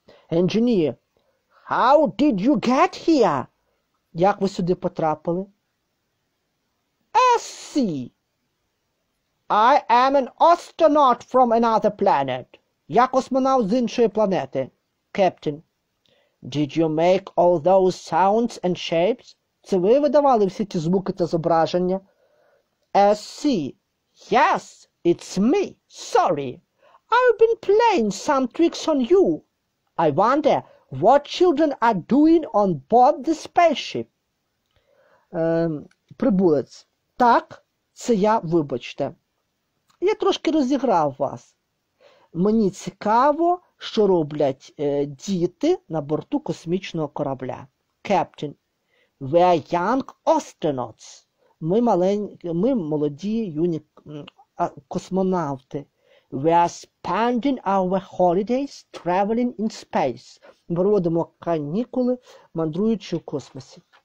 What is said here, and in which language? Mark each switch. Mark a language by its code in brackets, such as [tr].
[en] Engineer. How did you get here? [uk] Як ви сюди потрапили? [en] SC. I am an astronaut from another planet. [uk] Я космонавт з іншої планети. [en] Captain. Did you make all those sounds and shapes? [uk] Це ви видавали всі ці звуки та зображення? [en] SC. Yes, it's me. Sorry. I've been playing some tricks on you. I wonder what children are doing on board the spaceship. [uk] Прибулець. Так, це я, вибачте. Я трошки розіграв вас. Мені цікаво, що роблять діти на борту космічного корабля. [en] Captain, we are young astronauts. [uk] Ми молоді юні космонавти. [en] We are spending our holidays traveling in space. [uk] Проводимо канікули, мандруючи у космосі.